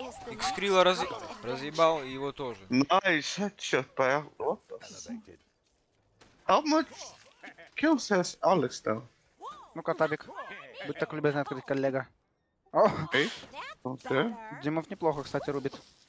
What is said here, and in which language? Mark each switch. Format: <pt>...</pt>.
<ru>Икскрила разъебал, и его тоже.</ru> <en>Nice headshot, pal. How much kills has Alex though?</en> <ru>Ну-ка, Табик. Будь так любезный открыть, коллега. О! Эй!</ru> <en>Okay.</en> <ru>Димов неплохо, кстати, рубит.</ru>